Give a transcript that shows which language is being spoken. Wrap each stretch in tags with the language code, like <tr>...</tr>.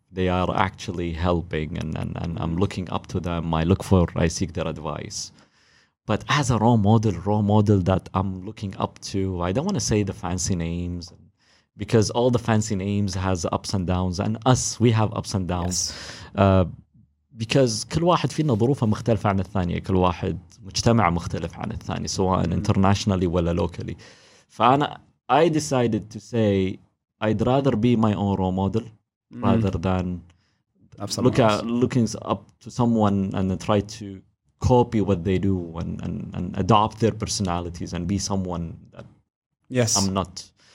<en>They are actually helping and I'm looking up to them. I seek their advice. But as a role model that I'm looking up to, I don't want to say the fancy names, because all the fancy names has ups and downs, and us, we have ups and downs. Yes. Because</en> <ar>كل واحد فينا ظروفه مختلفة عن الثانية. كل واحد مجتمع مختلف عن الثاني, سواء</ar> <en>internationally</en> <ar>ولا</ar> <en>locally.</en> <ar>فأنا,</ar> <en>I decided to say, I'd rather be my own role model rather than looking up to someone and try to copy what they do and adopt their personalities and be someone that I'm not.</en>